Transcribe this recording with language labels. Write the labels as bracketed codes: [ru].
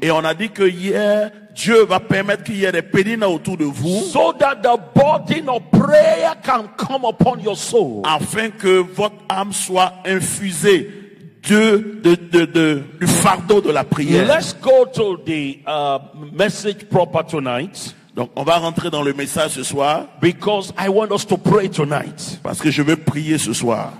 [fr] Et on a dit que hier Dieu va permettre qu'il y ait des Peninas autour de vous. [en] So that the burden of prayer can come upon your soul. [fr] Afin que votre âme soit infusée du fardeau de la prière. [en] Let's go to the message proper tonight. [fr] Donc, on va rentrer dans le message ce soir. [en] Because I want us to pray tonight. [fr] Parce que je veux prier ce soir.